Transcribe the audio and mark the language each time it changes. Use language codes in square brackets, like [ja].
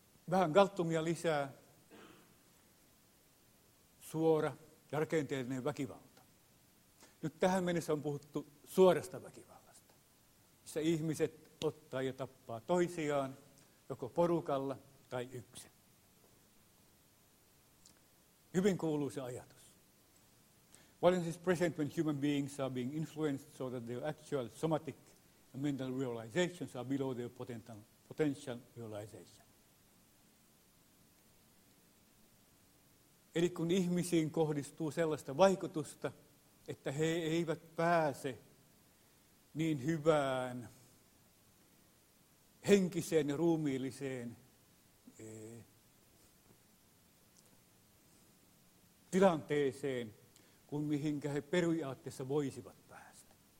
[fi] Vähän galttumia lisää suora ja rakenteellinen väkivalta. Nyt tähän mennessä on puhuttu suorasta väkivallasta, missä ihmiset ottaa ja tappaa toisiaan, joko porukalla tai yksin. Hyvin kuuluu se ajatus. [en] Violence is present when human beings are being influenced so that their actual somatic and mental realizations are below their potential realization. [fi] Eli kun ihmisiin kohdistuu sellaista vaikutusta, että he eivät pääse niin hyvään henkiseen ja ruumiilliseen tilanteeseen, kuin mihinkä he periaatteessa voisivat päästä.